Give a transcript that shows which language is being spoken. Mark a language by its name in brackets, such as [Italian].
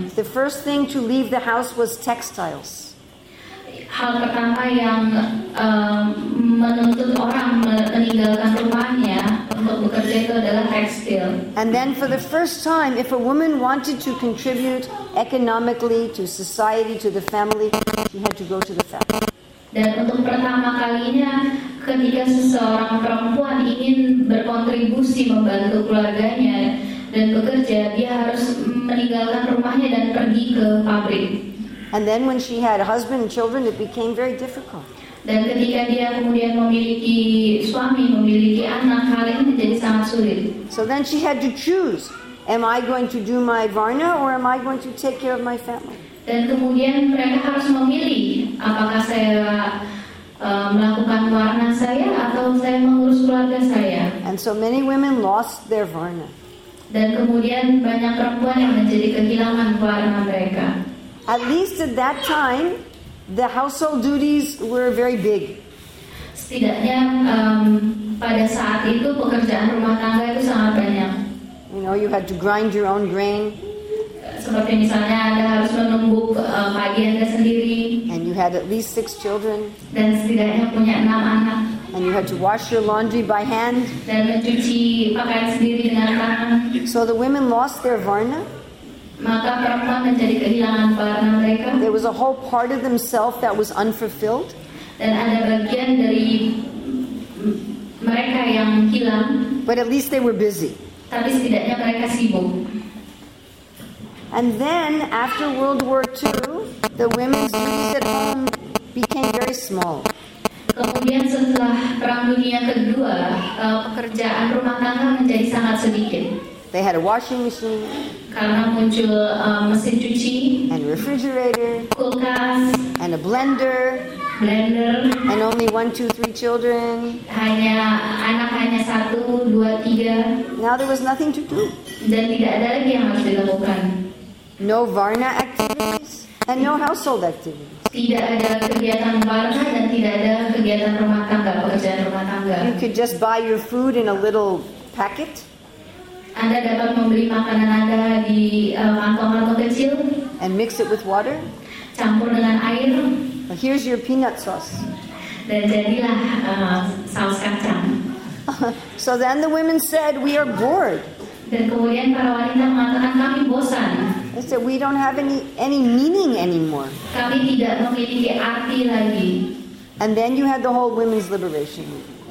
[English] The first thing to leave the house was textiles. [Indonesian] Hal pertama yang menuntut orang meninggalkan rumahnya untuk bekerja itu adalah tekstil. [English] And then for the first time, if a woman wanted to contribute economically to society, to the family, she had to go to the factory. [Indonesian] Dan untuk pertama kalinya, ketika seseorang perempuan ingin berkontribusi membantu keluarganya dan bekerja, dia harus meninggalkan rumahnya dan pergi ke pabrik. [English] And then when she had a husband and children, it became very difficult. [Indonesian] Dan ketika dia kemudian memiliki suami, memiliki anak, hal ini menjadi sangat sulit. [English] So then she had to choose, am I going to do my varna or am I going to take care of my family? [Indonesian] Dan kemudian mereka harus memilih, apakah saya melakukan varna saya atau saya mengurus keluarga saya. [English] And so many women lost their varna. [Indonesian] Dan kemudian banyak perempuan yang menjadi kehilangan varna mereka. [English] At least at that time, the household duties were very big. [Indonesian] setidaknya pada saat itu pekerjaan rumah tangga itu sangat banyak. [English] You know, you had to grind your own grain. [Indonesian] Seperti misalnya Anda harus menumbuk pagi Anda sendiri. [English] And you had at least 6 children. [Indonesian] Dan setidaknya punya 6 anak. [English] And you had to wash your laundry by hand. [Indonesian] Dan mencuci pakaian sendiri dengan tangan. [English] So the women lost their varna. [Indonesian] Maka perempuan menjadi kehilangan varna mereka. [English] There was a whole part of themselves that was unfulfilled. [Indonesian] Dan ada bagian dari mereka yang hilang. [English] But at least they were busy. [Indonesian] Tapi setidaknya mereka sibuk. [English] And then, after World War II, the women's duties at home became very small. [Indonesian] Kemudian setelah Perang Dunia Kedua, pekerjaan rumah tangga menjadi sangat sedikit. [English] They had a washing machine. [Indonesian] Karena muncul mesin cuci. [English] And refrigerator. [Indonesian] Kulkas. [English] And a blender. [Indonesian] Blender. [English] And only 1, 2, 3 children. [Indonesian] Hanya anak hanya 1, 2, 3. [English] Now there was nothing to do. [Indonesian] Dan tidak ada lagi yang harus dilakukan. [English] No varna activities and no household activities. [Indonesian] Tidak ada kegiatan varna dan tidak ada kegiatan rumah tangga, pekerjaan rumah tangga. [English] You could just buy your food in a little packet. [Indonesian] Anda dapat membeli makanan Anda di kantong-kantong kecil. [English] And mix it with water. [Indonesian] Campur dengan air. [English] Well, here's your peanut sauce. [Indonesian] Dan jadilah saus kacang. [English] So then the women said, "We are bored." [Indonesian] Dan kemudian para wanita mengatakan, "Kami bosan." [English] They said, "We don't have any meaning anymore." [Indonesian] Kami tidak memiliki arti lagi. [English] And then you had the whole women's liberation movement.